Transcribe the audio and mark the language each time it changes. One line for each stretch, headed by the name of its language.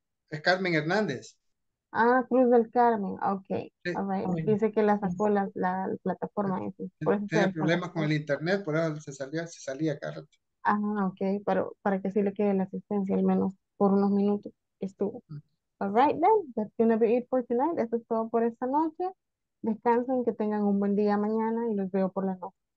Spanish: Es Carmen Hernández. Ah, Cruz del Carmen, ok. Sí.
English: All right.
Spanish: Oh, dice que la sacó la plataforma. Sí. Tiene problemas con el internet, por eso se salía Carlos. Ah, ok, pero para que sí le quede la asistencia, al menos por unos minutos estuvo.
English: All right then, that's going to be it for tonight.
Spanish: Eso es todo por esta noche. Descansen, que tengan un buen día mañana y los veo por la noche.